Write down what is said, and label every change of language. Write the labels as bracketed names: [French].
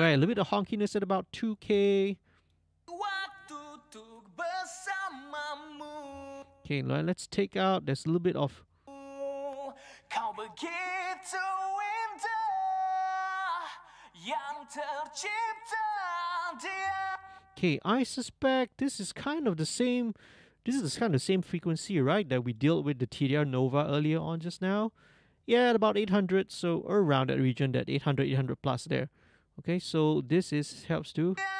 [English] Right, a little bit of honkiness at about 2K. [Indonesian] Waktu tuk bersamamu. [English] Okay, right, let's take out. There's a little bit of. [Indonesian] Kau begitu indah yang tercipta dia. [English] Okay, I suspect this is kind of the same. This is kind of the same frequency, right? That we dealt with the TDR Nova earlier on just now. Yeah, at about 800, so around that region, that 800, 800 plus there. Okay, so this is helps to.